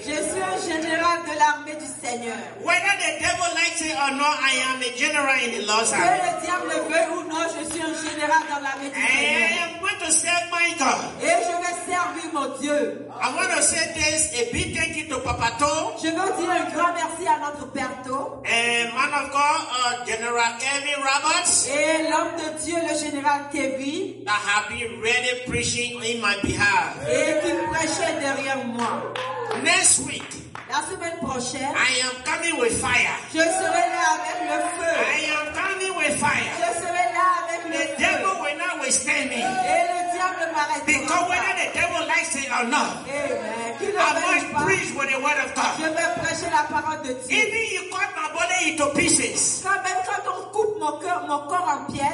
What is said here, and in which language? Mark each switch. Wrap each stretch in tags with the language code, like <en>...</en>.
<fr>Je suis un général de l'armée du Seigneur.</fr> <en>Whether the devil likes it or not, I am a general in the Lord's army.</en> <fr>Que le diable veut ou non, je suis un général dans l'armée du Seigneur.</fr> <en>I am going to serve my God.</en> <fr>Et je vais servir mon Dieu.</fr> <en>I want to say this, a big thank you to Papato.</en> <fr>Je veux dire un grand merci à notre Berto.</fr> <en>And man of God, General Kevin Roberts.</en> <fr>Et l'homme de Dieu, le général Kevin.</fr> <en>That have been ready preaching in my behalf.</en> <fr>Et qui prêchait derrière moi.</fr> <en>Next week.</en> <fr>La semaine prochaine.</fr> <en>I am coming with fire.</en> <fr>Je serai là avec le feu.</fr> <en>I am coming with fire.</en> <fr>Je serai là avec le feu.</fr> <en>The devil will not withstand me.</en> <fr>Et le diable m'arrête.</fr> <en>Because whether the devil likes it or not. Amen. I must preach with the word of God.</en> <fr>Je vais prêcher la parole de Dieu.</fr> <en>Even you cut my body into pieces.</en> <fr>Quand même quand on coupe mon corps en pièces.</fr>